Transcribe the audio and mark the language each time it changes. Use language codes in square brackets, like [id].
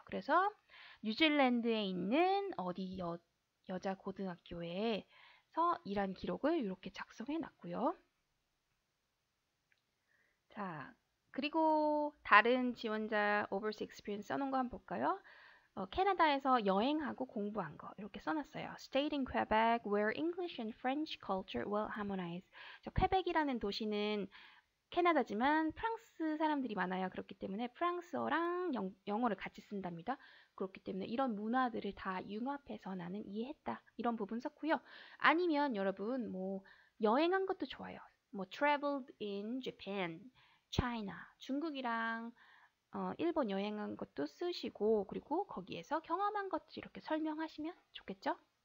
[ko] 그래서 뉴질랜드에 있는 어디 여자 고등학교에서 일한 기록을 이렇게 작성해 놨고요. 자, 그리고 다른 지원자 Overseas Experience 써놓은 거 한번 볼까요? 캐나다에서 여행하고 공부한 거 이렇게 써놨어요. [en] Stayed in Quebec where English and French culture well harmonize. [ko] 저 퀘벡이라는 도시는 캐나다지만 프랑스 사람들이 많아요. 그렇기 때문에 프랑스어랑 영어를 같이 쓴답니다. 그렇기 때문에 이런 문화들을 다 융합해서 나는 이해했다. 이런 부분 썼고요. 아니면 여러분 뭐 여행한 것도 좋아요. 뭐 [en] traveled in Japan, China, [ko] 중국이랑 일본 여행한 것도 쓰시고 그리고 거기에서 경험한 것들 이렇게 설명하시면 좋겠죠?